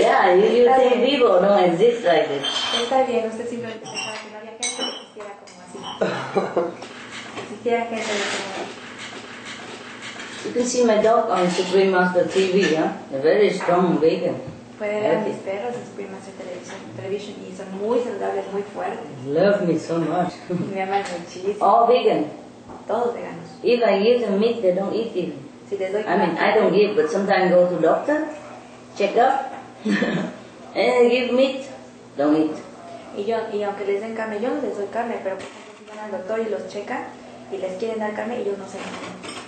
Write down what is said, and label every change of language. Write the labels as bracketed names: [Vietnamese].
[English] Yeah, you say vivo, no exist like this. [Spanish] Está bien, usted simplemente pensaba que no había gente que existiera como así. Existiera gente de como así. [English] You can see my dog on Supreme Master TV, huh? A very strong vegan. [Spanish] Puede ver a mis perros en Supreme Master Television y son muy saludables, muy fuertes. [English] Love me so much. [Spanish] Me aman muchísimo. [English] All vegan. [Spanish] Todos veganos. [English] If I give them meat, they don't eat it. [Spanish] Si les doy [English] I mean, I don't give, but sometimes go to doctor, check up, and they give meat, don't eat. [Spanish] Y aunque les den carne, yo no les doy carne, pero por ejemplo, si van al doctor y los checan y les quieren dar carne, ellos no se comen.